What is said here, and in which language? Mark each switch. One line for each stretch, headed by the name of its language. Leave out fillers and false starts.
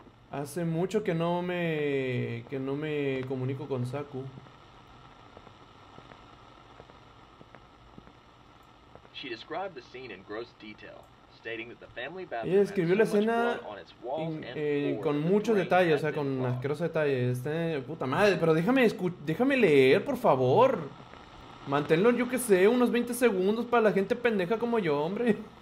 Spanish: Hace mucho que no me comunico con Saku.
English: She described the scene in gross detail, stating that the family bathroom.
Spanish: Ella describió la escena con mucho detalle, o sea, con asqueroso detalle. Puta madre, pero déjame leer, por favor. Manténlo, yo que sé, unos 20 segundos para la gente pendeja como yo, hombre.